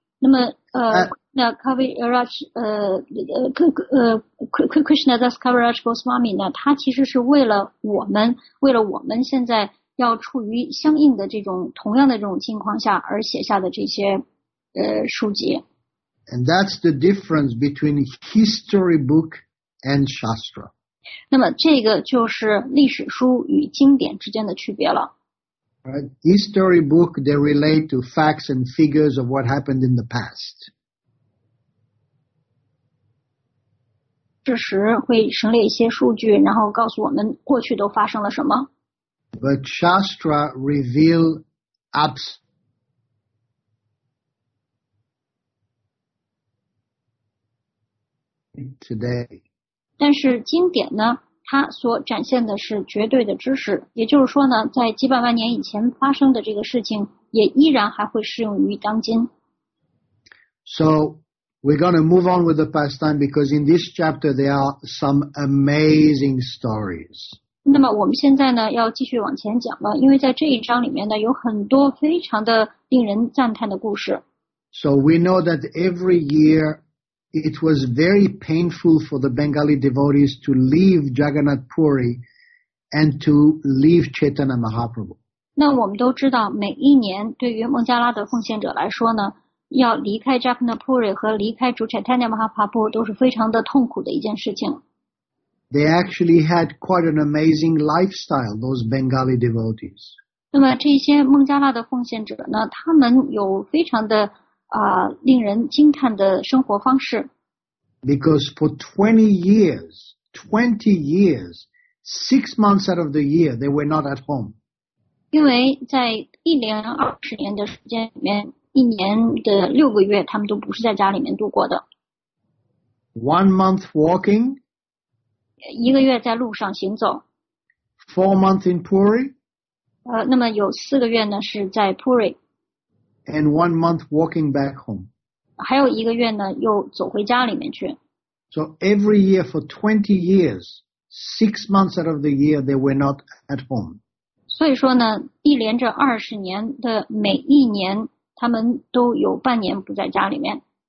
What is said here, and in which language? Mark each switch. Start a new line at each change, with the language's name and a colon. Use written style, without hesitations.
Chinese: 那么Krishna Das Kaviraj Goswami 呢，他其实是为了我们现在要处于相应的这种同样的这种情况下而写下的这些书籍。
English: And that's the difference between history book and shastra.
Chinese: 那么这个就是历史书与经典之间的区别了。
English: Right. History book, they relate to facts and figures of what happened in the past.
Chinese: 事实会省略一些数据，然后告诉我们过去都发生了什么。
English: But Shastra reveal today.
Chinese: 但是经典呢？它所展现的是绝对的知识，也就是说呢，在几百万年以前发生的这个事情，也依然还会适用于当今。
English: So we're going to move on with the pastime because in this chapter there are some amazing stories.
Chinese: 那么我们现在呢，要继续往前讲了，因为在这一章里面呢，有很多非常的令人赞叹的故事。
English: So we know that every year. It was very painful for the Bengali devotees to leave Jagannath Puri and to leave Chaitanya Mahaprabhu.
Chinese: 那我们都知道，每一年对于孟加拉的奉献者来说呢，要离开 Jagannath Puri 和离开主 Chaitanya Mahaprabhu 都是非常的痛苦的一件事情。
English: They actually had quite an amazing lifestyle, those Bengali devotees.
Chinese: 那么这些孟加拉的奉献者呢，他们有非常的令人惊叹的生活方式。
English: Because for 20 years, 6 months out of the year, they were not at home.
Chinese: 因为在一连20年的时间里面，一年的6个月，他们都不是在家里面度过的。
English: 1 month walking.
Chinese: 一个月在路上行走。
English: 4 months in Puri.
Chinese: 那么有4个月呢是在 Puri。
English: And 1 month walking back home.
Chinese: 还有一个月呢，又走回家里面去。
English: So every year for 20 years, 6 months out of the year, they were not at home.
Chinese: 所以说呢，一连着20年的每一年，他们都有半年不在家里面。